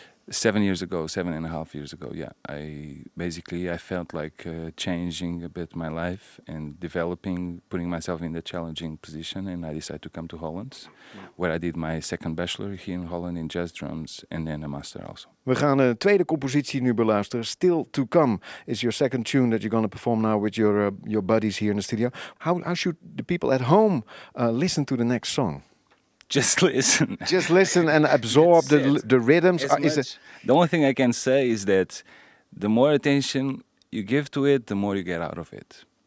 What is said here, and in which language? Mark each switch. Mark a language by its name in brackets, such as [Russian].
[English] 7 years ago, 7.5 years ago, yeah. I felt like changing a bit my life and developing, putting myself in the challenging position, and I decided to come to Holland, where I did my second bachelor here in Holland in jazz drums and then a master also. [Dutch] We gaan een tweede compositie nu beluisteren. [English] Still to Come is your second tune that you're going to perform now with your buddies here in the studio. How should the people at home listen to the next song? Just listen. Just listen and absorb the rhythms. The only thing I can say is that the more attention you give to it, the more you get out of it.